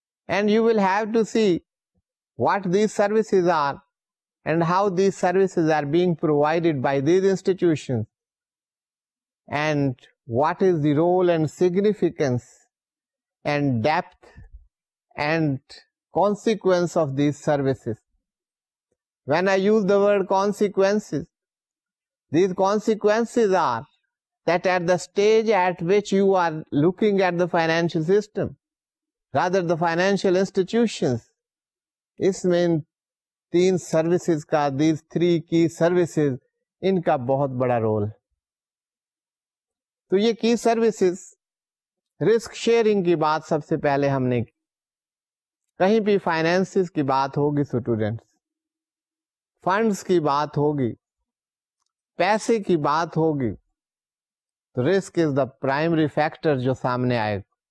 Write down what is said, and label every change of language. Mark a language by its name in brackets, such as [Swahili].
[English] And you will have to see what these services are and how these services are being provided by these institutions and what is the role and significance and depth and consequence of these services. When I use the word consequences, these consequences are that at the stage at which you are looking at the financial system, rather the financial institutions, [Hindi] isme in teen services ka, [English] these three key services, [Hindi] inka bahut bada role. To ye key services, risk sharing की बात सबसे पहले हमने की, कहीं भी finances की बात होगी स्टूडेंट्स, फंड्स की बात होगी, पैसे की बात होगी, तो [English] risk is the primary factor [Hindi] जो सामने आएगा.